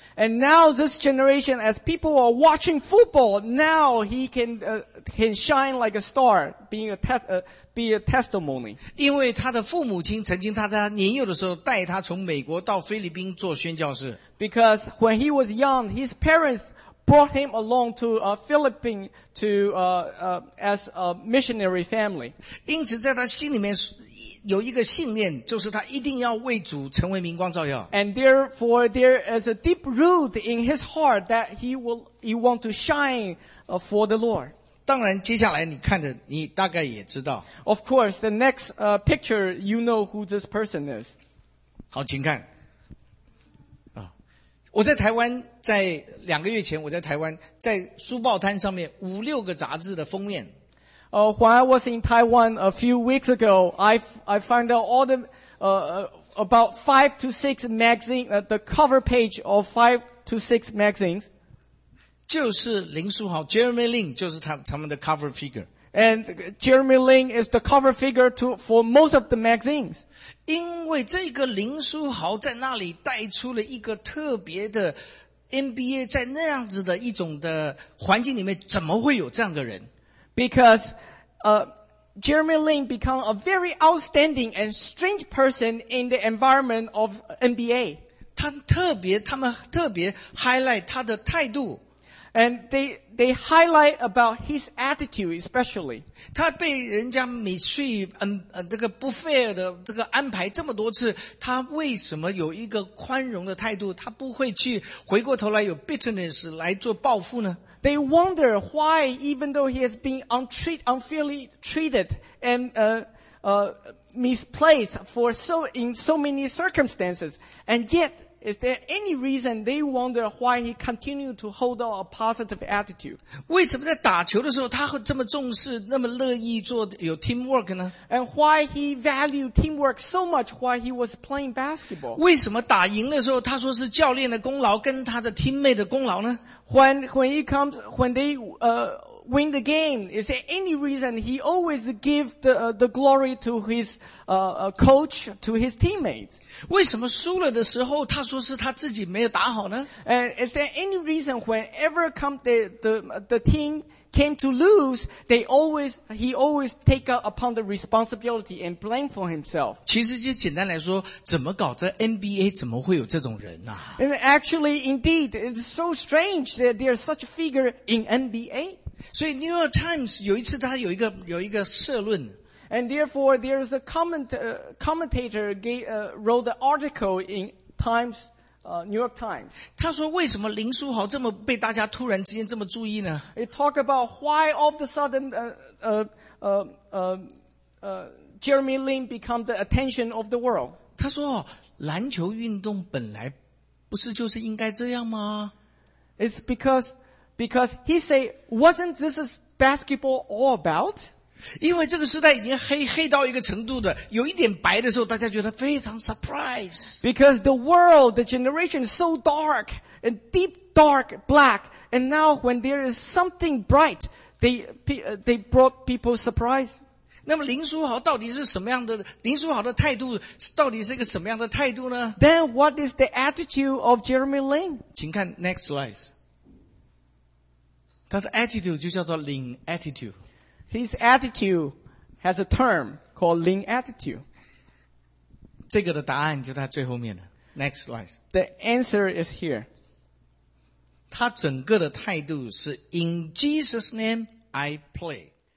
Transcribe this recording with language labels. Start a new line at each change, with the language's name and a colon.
English: And now this generation, as people are watching football, now he can shine like a star, be a testimony.
Chinese: 因为他的父母亲曾经他在年幼的时候带他从美国到菲律宾做宣教士。
English: Because when he was young, his parents brought him along to Philippines to as a missionary family.
Chinese: 因此在他心里面有一个信念，就是他一定要为主成为明光照耀。
English: And therefore, there is a deep root in his heart that he want to shine for the Lord.
Chinese: 当然，接下来你看的，你大概也知道。
English: Of course, the next picture, you know who this person is.
Chinese: 好，请看。我在台湾，在两个月前，我在台湾，在书报摊上面五六个杂志的封面。
English: When I was in Taiwan a few weeks ago, I found out all the, about 5 to 6 magazines, the cover page of 5 to 6 magazines.
Chinese: 就是林书豪 Jeremy Lin 就是他们的
English: cover figure. And Jeremy Lin is the cover figure for most of the magazines.
Chinese: 因为这个林书豪在那里带出了一个特别的 NBA 在那样子的一种的环境里面怎么会有这样的人。
English: Because, Jeremy Lin become a very outstanding and strange person in the environment of NBA.
Chinese: 他们特别 highlight 他的态度。
English: And they highlight about his attitude especially.
Chinese: 他被人家 这个不 fair 的这个安排这么多次，他为什么有一个宽容的态度，他不会去回过头来有 bitterness 来做报复呢？
English: They wonder why, even though he has been unfairly treated and misplaced in so many circumstances, and yet, is there any reason they wonder why he continued to hold on a positive attitude?
Chinese: 为什么在打球的时候他会这么重视，那么乐意做有 teamwork 呢？
English: And why he valued teamwork so much while he was playing basketball?
Chinese: 为什么打赢的时候他说是教练的功劳跟他的 teammate 的功劳呢？
English: When they win the game, is there any reason he always give the glory to his coach, to his teammates?
Chinese: 为什么输了的时候他说是他自己没有打好呢？
English: And is there any reason whenever come the team came to lose, he always take up upon the responsibility and blame for himself.
Chinese: 其实就简单来说，怎么搞这 NBA 怎么会有这种人啊？
English: And actually, indeed, it's so strange that there's such a figure in NBA.
Chinese: 所以 New York Times 有一次他有一个社论。
English: And therefore, there is a commentator wrote an article in Times,New York Times.
Chinese: 他说为什么林书豪这么被大家突然之间这么注意呢？
English: It talk about why all of a sudden Jeremy Lin become the attention of the world.
Chinese: 他说篮球运动本来不是就是应该这样吗？
English: It's because he say, wasn't this basketball all about?
Chinese: 因为这个时代已经黑到一个程度的，有一点白的时候，大家觉得非常 surprise.
English: Because the world, the generation is so dark, and deep dark black, and now when there is something bright, they brought people surprise.
Chinese: 那么林书豪到底是什么样的，林书豪的态度到底是一个什么样的态度呢？
English: Then what is the attitude of Jeremy Lin?
Chinese: 请看
English: next slide.
Chinese: 他的 attitude 就叫做
English: Lin attitude. His attitude has a term called Lin attitude.
Chinese: 这个的答案就在最后面了。
English: Next slide. The answer is here.
Chinese: 他整个的态度是
English: In Jesus' name, I play.